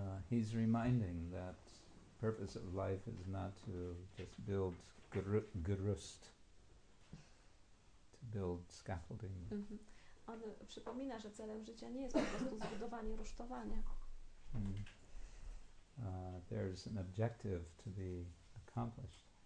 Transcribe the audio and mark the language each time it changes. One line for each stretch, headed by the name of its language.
English: He's reminding that the purpose of life is not to just build grust, to build scaffolding. Mm-hmm.
Polish: On przypomina, że celem życia nie jest po prostu zbudowanie rusztowania. Mm.
English: There's an objective to be accomplished